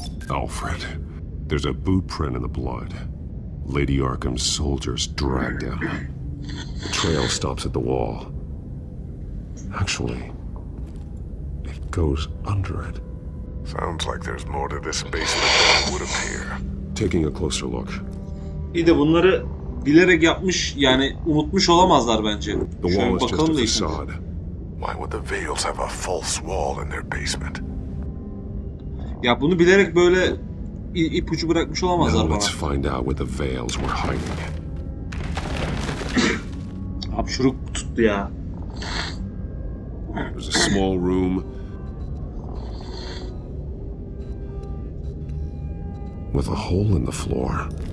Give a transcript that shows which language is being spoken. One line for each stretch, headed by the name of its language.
English: Alfred, there's a boot print in the blood. Lady Arkham's soldiers dragged him. The trail stops at the wall. Actually, it goes under it. Sounds like there's more to this basement than it would appear. Taking a closer look.
Turkish: İyi de bunları bilerek yapmış, yani unutmuş olamazlar bence.
English: The wall is just a facade. Why would the Vales have a false wall in their basement?
Turkish: Ya bunu bilerek böyle ipucu bırakmış olamazlar bana.
English: Now let's find out where the Vales were hiding.
Turkish: Hapşuruk tuttu ya.
English: There's a small room with a hole in the floor.